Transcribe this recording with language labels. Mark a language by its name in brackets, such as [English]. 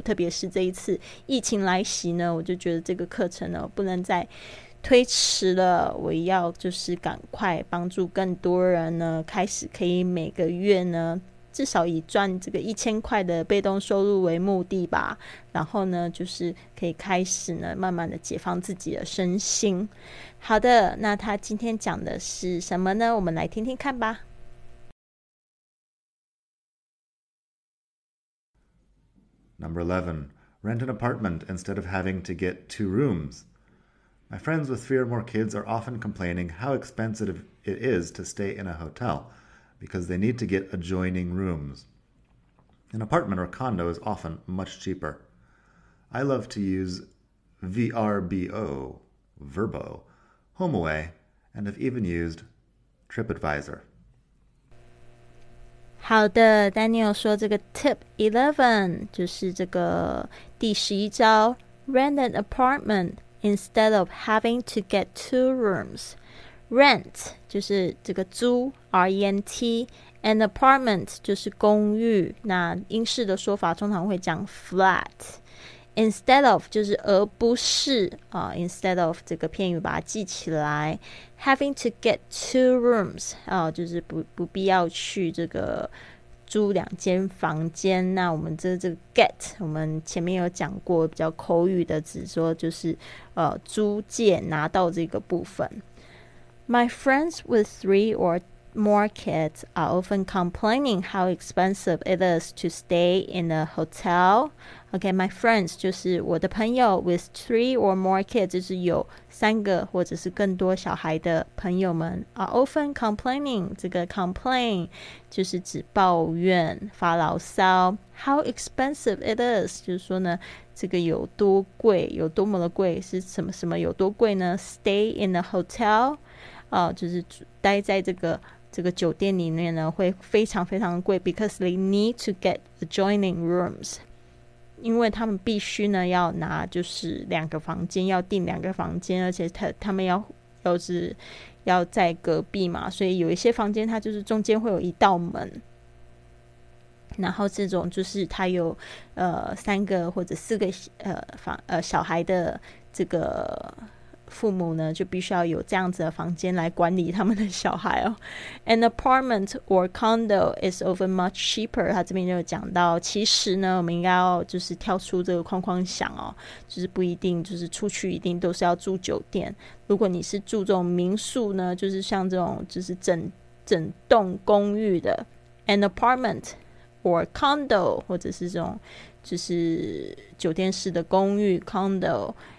[Chinese] 特别是这一次疫情来袭呢，我就觉得这个课程呢不能再推迟了，我要就是赶快帮助更多人呢，开始可以每个月呢，至少以赚这个1000块的被动收入为目的吧，然后呢，就是可以开始呢，慢慢的解放自己的身心。好的，那他今天讲的是什么呢？我们来听听看吧。 [English] Number 11, rent an apartment instead of having to get 2 rooms. My friends with 3 or more kids are often complaining how expensive it is to stay in a hotel because they need to get adjoining rooms. An apartment or condo is often much cheaper. I love to use VRBO, Vrbo, HomeAway, and have even used TripAdvisor. [Chinese] 好的，Daniel 说这个 Tip 11就是这个第11招， [English] rent an apartment instead of having to get 2 rooms。 [Chinese] Rent 就是这个租，rent， [English] an apartment [Chinese] 就是公寓，那英式的说法通常会讲 flat。 [English] Instead of [Chinese] 就是而不是 [English] instead of [Chinese] 这个片语把它记起来， [English] having to get 2 rooms [Chinese] 就是不必要去这个租2间房间。那我们这个 get 我们前面有讲过，比较口语的只说就是租借拿到这个部分。 [English] My friends with 3 or more kids are often complaining how expensive it is to stay in a hotel. Okay, my friends [Chinese] 就是我的朋友， [English] with 3 or more kids [Chinese] 就是有3个或者是更多小孩的朋友们， [English] are often complaining. [Chinese] 这个 complain 就是指抱怨、发牢骚。 [English] How expensive it is [Chinese] 就是说呢，这个有多贵，有多么的贵，是什么什么有多贵呢？ [English] Stay in a hotel， [Chinese] 就是待在这个酒店里面呢，会非常非常贵， [English] because they need to get adjoining rooms。 [Chinese] 因为他们必须呢要拿就是2个房间，要订2个房间，而且他们要在隔壁嘛，所以有一些房间它就是中间会有一道门，然后这种就是他有3个或者4个小孩的这个父母呢就必须要有这样子的房间来管理他们的小孩哦。 [English] An apartment or condo is often much cheaper。 [Chinese] 他这边就讲到，其实呢，我们应该要就是跳出这个框框想哦，就是不一定就是出去一定都是要住酒店。如果你是住这种民宿呢，就是像这种就是整栋公寓的 [English] an apartment or condo [Chinese] 或者是这种就是酒店式的公寓 condo。